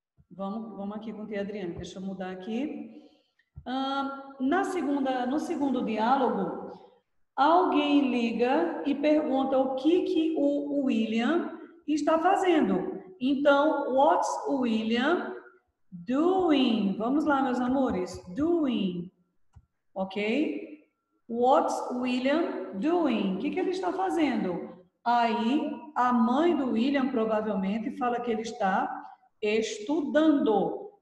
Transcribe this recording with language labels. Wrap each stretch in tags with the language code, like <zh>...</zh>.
<pt>Vamos aqui com Tia Adriane. Deixa eu mudar aqui. No segundo diálogo, alguém liga e pergunta o que o William está fazendo.</pt> <en>Então, what's William doing?</en> <pt>Vamos lá, meus amores. Doing. Ok?</pt> <en>What's William doing?</en> <pt>O que ele está fazendo? Aí, a mãe do William provavelmente fala que ele está estudando.</pt>